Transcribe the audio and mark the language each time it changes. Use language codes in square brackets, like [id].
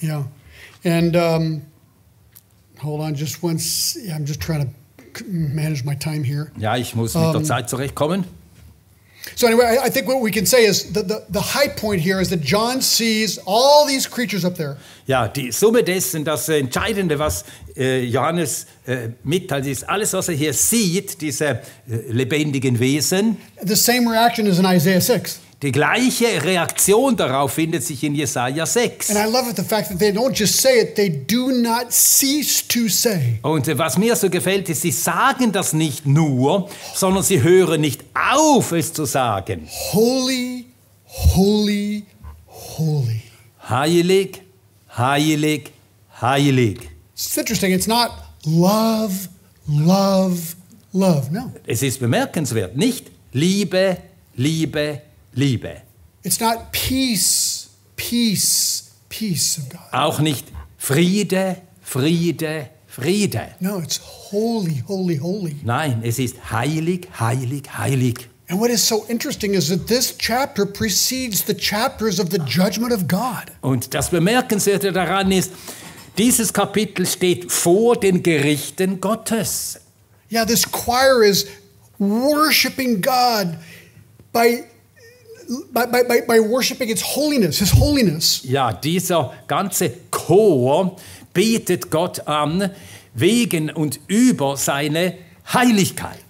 [en] Yeah, and hold on just once. Yeah, I'm just trying to manage my time here. [de] Ja, ich muss mit der Zeit zurechtkommen. [en] So anyway, I think what we can say is the high point here is that John sees all these creatures up there. [de] Ja, die Summe dessen, das Entscheidende, was Johannes mitteilt, ist alles, was er hier sieht, diese lebendigen Wesen. [en] The same reaction is in Isaiah 6. [de] Die gleiche Reaktion darauf findet sich in Jesaja 6. [en] And I love it, the fact that they don't just say it, they do not cease to say. [de] Und was mir so gefällt, ist, sie sagen das nicht nur, sondern sie hören nicht auf, es zu sagen. [en] Holy, holy, holy. [de] Heilig, heilig, heilig. [en] It's interesting, it's not love, love, love, no. [de] Es ist bemerkenswert, nicht Liebe, Liebe, Liebe. [en] It's not peace, peace, peace of God. [de] Auch nicht Friede, Friede, Friede. [en] No, it's holy, holy, holy. [de] Nein, es ist heilig, heilig, heilig. [en] And what is so interesting is that this chapter precedes the chapters of the judgment of God. [de] Und das Bemerkenswerte daran ist, dieses Kapitel steht vor den Gerichten Gottes. [en] Yeah, this choir is worshiping God by worshiping its holiness, his holiness. [de] Ja, dieser ganze Chor betet Gott an wegen und über seine Heiligkeit.